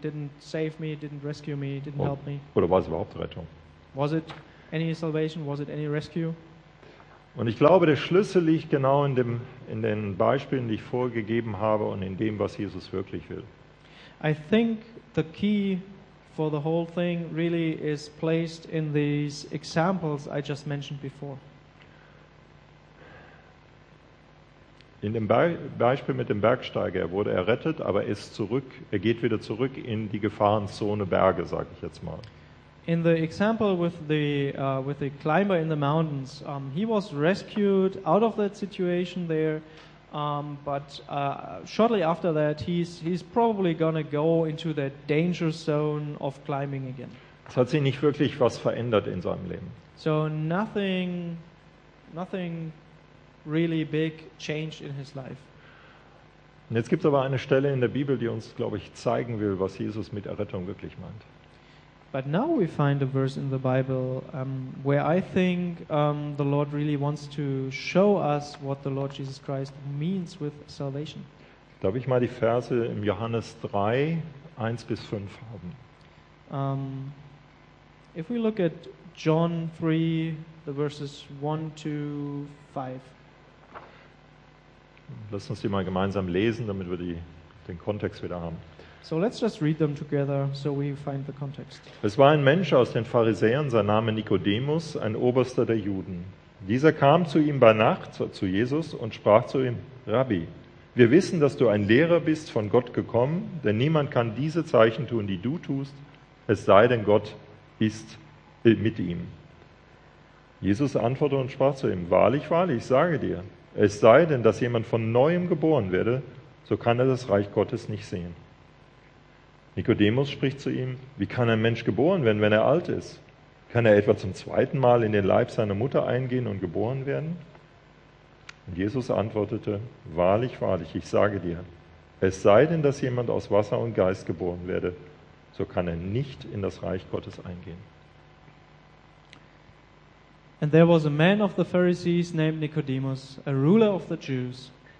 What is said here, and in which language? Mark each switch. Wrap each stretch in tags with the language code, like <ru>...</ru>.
<en>Didn't save me, didn't rescue me, didn't help me.</en> <de>Oder war es überhaupt Rettung?</de> <en>Was it any salvation? Was it any rescue?</en> <de>Und ich glaube, der Schlüssel liegt genau in den Beispielen, die ich vorgegeben habe und in dem, was Jesus wirklich will.</de> <en>I think the key for the whole thing really is placed in these examples I just mentioned before.</en> <de>In dem Beispiel mit dem Bergsteiger, er wurde errettet, aber er geht wieder zurück in die Gefahrenzone Berge, sage ich jetzt mal.</de> <en>In the example with the climber in the mountains, he was rescued out of that situation there, but shortly after that he's probably gonna go into that danger zone of climbing again.</en> <de>Es hat sich nicht wirklich was verändert in seinem Leben.</de> <en>So nothing really big changed in his life.</en> <de>Und jetzt gibt's aber eine Stelle in der Bibel, die uns, glaube ich, zeigen will, was Jesus mit Errettung wirklich meint.</de> <en>But now we find a verse in the Bible where I think the Lord really wants to show us what the Lord Jesus Christ means with salvation.</en> <de>Darf ich mal die Verse im Johannes 3, 1 bis 5 haben?</de> <en>If we look at John 3, the verses 1 to 5.</en> <de>Lass uns die mal gemeinsam lesen, damit wir den Kontext wieder haben.</de> <en>So let's just read them together so we find the context.</en> <de>Es war ein Mensch aus den Pharisäern, sein Name Nikodemus, ein Oberster der Juden. Dieser kam zu ihm bei Nacht, zu Jesus, und sprach zu ihm: Rabbi, wir wissen, dass du ein Lehrer bist von Gott gekommen, denn niemand kann diese Zeichen tun, die du tust, es sei denn, Gott ist mit ihm. Jesus antwortete und sprach zu ihm: Wahrlich, wahrlich, ich sage dir, es sei denn, dass jemand von Neuem geboren werde, so kann er das Reich Gottes nicht sehen. Nikodemus spricht zu ihm: Wie kann ein Mensch geboren werden, wenn er alt ist? Kann er etwa zum zweiten Mal in den Leib seiner Mutter eingehen und geboren werden? Und Jesus antwortete: Wahrlich, wahrlich, ich sage dir, es sei denn, dass jemand aus Wasser und Geist geboren werde, so kann er nicht in das Reich Gottes eingehen.</de> <en>And there was a man of the Pharisees named Nicodemus, a ruler of the Jews.</en>